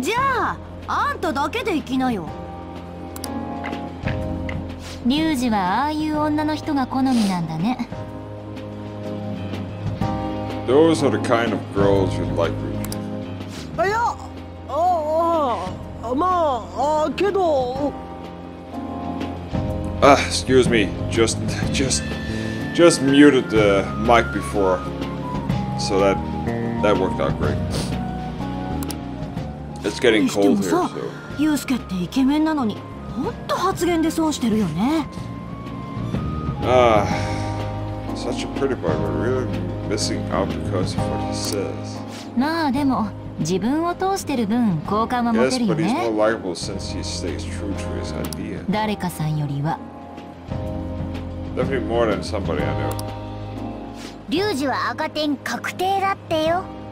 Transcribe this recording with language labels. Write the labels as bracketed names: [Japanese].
[Japanese] じゃああんただけで行きなよ。リュウジはああいう女の人が好みなんだね。 [English] Those are the kind of girls you like, Ruby. [Japanese] いや、まあ、けど。 [English] Excuse me. Just muted the mic before, so that worked out great. It's getting cold here, so. [Japanese] ユウスケってイケメンなのに、ほんと発言で損してるよね。 [English] Such a pretty boy, but really missing out because of what he says. [Japanese] まあでも自分を通してる分好感は持てるよね。 [English] Yes, but he's more likable since he stays true to his idea. [Japanese] 誰かさんよりは。 [English] Definitely more than somebody I know. [Japanese] リュウジは赤点確定だってよ。